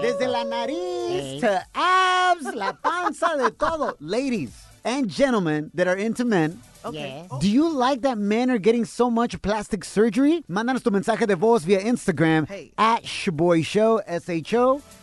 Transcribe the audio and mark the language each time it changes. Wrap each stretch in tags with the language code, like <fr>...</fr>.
<es>Desde la nariz</es> <en>to abs,</en> <es>la panza, de todo.</es> <en>Ladies and gentlemen that are into men, do you like that men are getting so much plastic surgery?</en> <es>Mándanos tu mensaje de voz via Instagram at Shaboy Show, Shaboy Show.</es>